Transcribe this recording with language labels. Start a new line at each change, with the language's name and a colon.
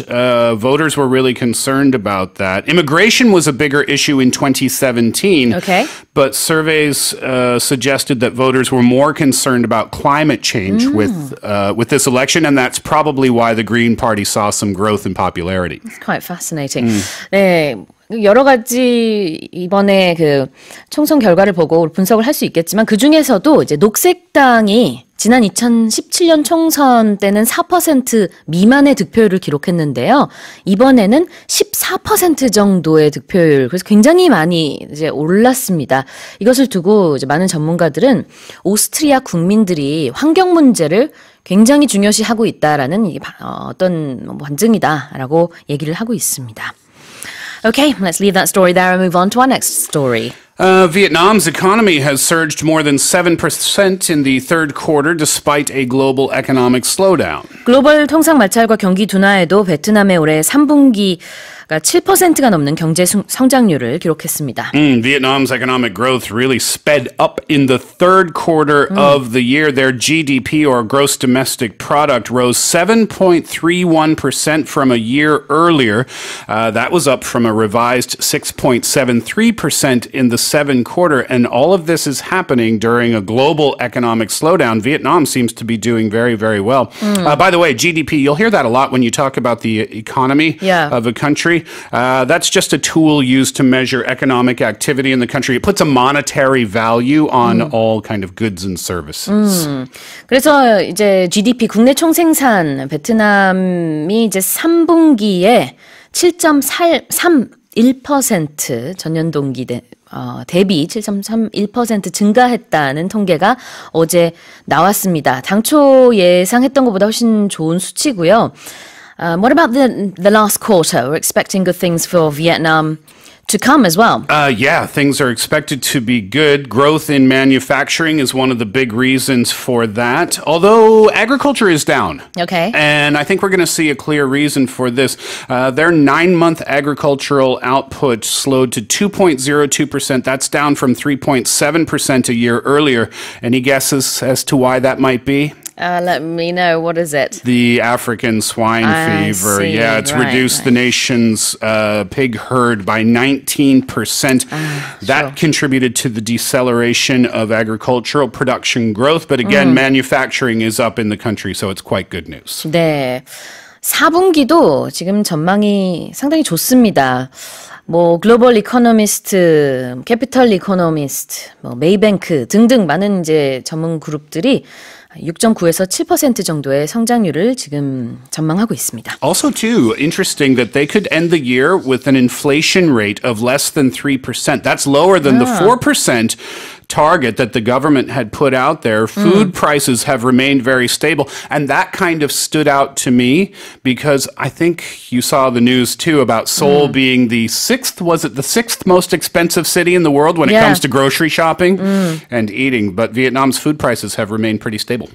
English: Voters were really concerned about that. Immigration was a bigger issue in 2017. Okay. But surveys suggested that voters were more concerned about climate change with this election. And that's probably why the Green Party saw some growth in popularity. It's quite fascinating. Mm.
Korean: 여러 가지 이번에 그 총선 결과를 보고 분석을 할 수 있겠지만 그 중에서도 이제 녹색당이 지난 2017년 총선 때는 4% 미만의 득표율을 기록했는데요. 이번에는 14% 정도의 득표율. 그래서 굉장히 많이 이제 올랐습니다. 이것을 두고 이제 많은 전문가들은 오스트리아 국민들이 환경 문제를 굉장히 중요시하고 있다라는 어떤 반증이다라고 얘기를 하고 있습니다.
English: Okay, let's leave that story there and move on to our next story. Vietnam's economy has surged more than 7% in the third quarter despite a global economic slowdown.
Korean: 글로벌 통상 마찰과 경기 둔화에도 베트남의 올해 3분기 7%가 넘는 경제 성장률을 기록했습니다.
English: Vietnam's economic growth really sped up in the third quarter of the year. Their GDP, or gross domestic product, rose 7.31% from a year earlier. That was up from a revised 6.73% in the second quarter. And all of this is happening during a global economic slowdown. Vietnam seems to be doing very, very well. By the way, GDP, you'll hear that a lot when you talk about the economy of a country. That's just a tool used to measure economic activity in the country. It puts a monetary value on all kind of goods and services.
Korean: 그래서 이제 GDP 국내 총생산 베트남이 이제 3분기에 7.31% 전년 동기 대비 7.31% 증가했다는 통계가 어제 나왔습니다. 당초 예상했던 것보다 훨씬 좋은 수치고요.
English: What about the last quarter? We're expecting good things for Vietnam to come as well. Things are expected to be good. Growth in manufacturing is one of the big reasons for that. Although agriculture is down. Okay. And I think we're going to see a clear reason for this. Their nine-month agricultural output slowed to 2.02%. That's down from 3.7% a year earlier. Any guesses as to why that might be? Let me know. What is it? The African swine fever. See. Yeah, it's reduced the nation's pig herd by 19%. That contributed to the deceleration of agricultural production growth. But again, manufacturing is up in the country, so it's quite good news.
Korean: 네, 4분기도 지금 전망이 상당히 좋습니다. 뭐 글로벌 이코노미스트, 캐피털 이코노미스트, 뭐 메이뱅크 등등 많은 이제 전문 그룹들이 6.9에서 7% 정도의 성장률을 지금 전망하고 있습니다.
English: Also too interesting that they could end the year with an inflation rate of less than 3%. That's lower than the 4% target that the government had put out there. Food prices have remained very stable, and that kind of stood out to me because I think you saw the news too about Seoul being the sixth, was it the sixth most expensive city in the world when it comes to grocery shopping and eating, but Vietnam's food prices have remained pretty stable.